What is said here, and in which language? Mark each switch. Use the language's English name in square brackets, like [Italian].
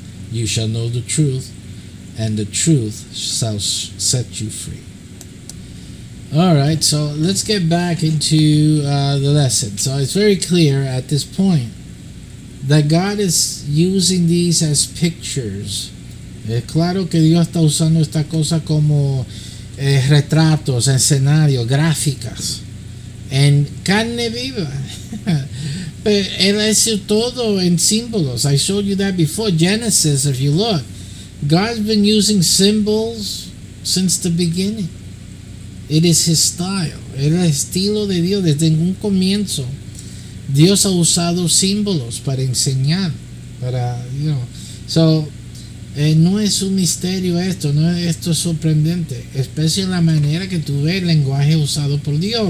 [English] You shall know the truth, and the truth shall set you free. All right, so let's get back into the lesson. So it's very clear at this point that God is using these as pictures. [Spanish] Es claro que Dios está usando esta cosa como retratos, escenarios, gráficas, en carne viva. Pero él hizo todo en símbolos. [English] I showed you that before. Genesis, if you look, God's been using symbols since the beginning. It is his style. [Spanish] Es el estilo de Dios. Desde un comienzo, Dios ha usado símbolos para enseñar. Para, you know. So, no es un misterio esto. No, esto es sorprendente. Especialmente la manera que tú ves el lenguaje usado por Dios.